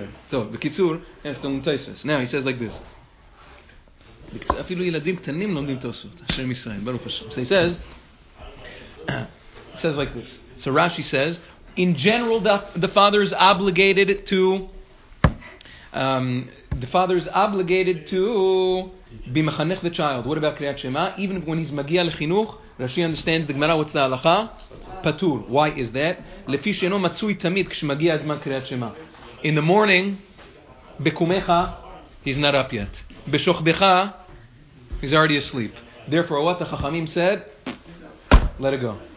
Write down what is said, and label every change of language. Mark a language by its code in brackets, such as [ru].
[en] So, [he] בקיצור, אפתם תוספות. [en] Now he says like this. [he] בקיצור, אפילו ילדים קטנים לומדים תוספות. השם ישראל, ברוך השם. [en] So he says, like this. So Rashi says, in general, the father is obligated to, be מחנך the child. What about קריאת שמה? Even when he's [he] מגיע לחינוך, [en] Rashi understands the Gemara, what's the הלכה? [he] פטור. [en] Why is that? [he] לפי שאינו מצוי תמיד כשמגיע הזמן קריאת שמה. [en] In the morning, Bekumecha, he's not up yet. Beshochbecha, he's already asleep. Therefore, what the Chachamim said, let it go.